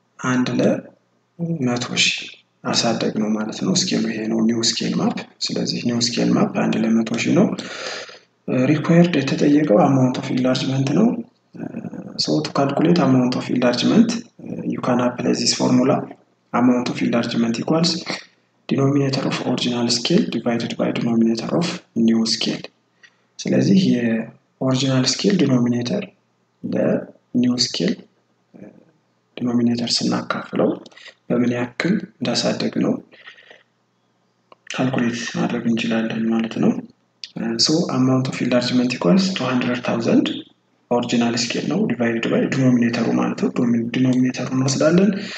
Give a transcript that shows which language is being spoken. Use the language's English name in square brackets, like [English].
[Amharic] አንድ ለ 100 ሺህ አሳደግነው ማለት ነው። ስኬሉ ይሄ ነው ኒው ስኬል ማፕ። ስለዚህ ኒው ስኬል ማፕ አንድ ለ 100 ሺህ ነው። required የተጠየቀው amount of enlargement ነው። [English] So to calculate amount of enlargement you can apply this formula. Amount of enlargement equals denominator of original scale divided by denominator of new scale. [Amharic] ስለዚህ የoriginal scale denominator ለnew scale denominator ስናካፍለው በምን ያክል እንዳሳደግነው calculate ማድረግ እንችላለን ማለት ነው። [English] So amount of enlargement equals 200,000 original scale [Amharic] ነው [English] divided by [Amharic] denominator-ው ማለት ነው። denominator-ውን እንወስዳለን።